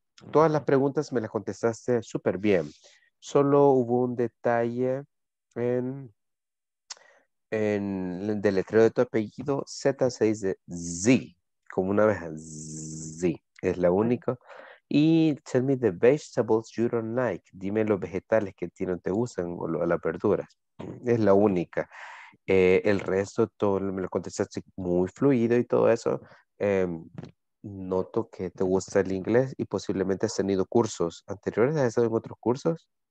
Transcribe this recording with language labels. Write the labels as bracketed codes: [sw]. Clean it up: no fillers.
[es] Todas las preguntas me las contestaste súper bien. Solo hubo un detalle en el deletreo de tu apellido, Z6Z, como una abeja, Z, es la única. [en] Y tell me the vegetables you don't like. [es] Dime los vegetales que a ti no te gustan o las verduras. Es la única. El resto todo me lo contestaste muy fluido y todo eso. Noto que te gusta el inglés y posiblemente has tenido cursos anteriores. ¿Has estado en otros cursos?